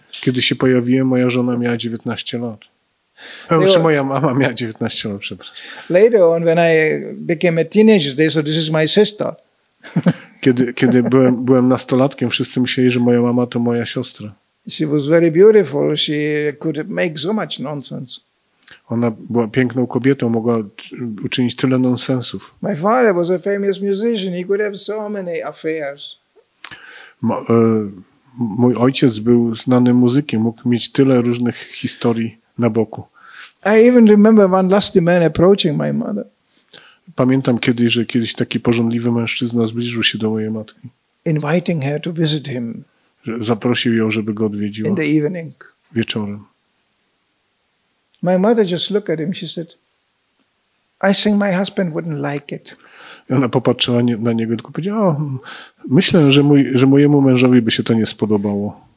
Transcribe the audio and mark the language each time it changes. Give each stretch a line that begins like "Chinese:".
Polish: Kiedy się pojawiłem, moja żona miała 19 lat. Przepraszam, moja mama miała 19 lat.
English: Later on, when I became a teenager, they said, "This is my sister."
Polish: Kiedy byłem nastolatkiem, wszyscy myśleli, że moja mama to moja siostra.
English: She was very beautiful. She could make so much nonsense.
Polish: Ona była piękną kobietą, mogła uczynić tyle nonsensów.
English: My father was a famous musician. He could have so many affairs.
Polish: Mój ojciec był znanym muzykiem, mógł mieć tyle różnych historii na boku.
English: I even remember one lusty man approaching my mother.
Polish: Pamiętam kiedyś taki pożądliwy mężczyzna zbliżył się do mojej matki.
English: Inviting her to visit him.
Polish: Zaprosił ją, żeby go odwiedziła.
English: In the evening.
Polish: Wieczorem.
English: My mother just looked at him. She said, "I think my husband wouldn't like it."
Polish: I ona popatrzyła na niego i powiedziała: "O, myślę, że mojemu mężowi by się to nie spodobało."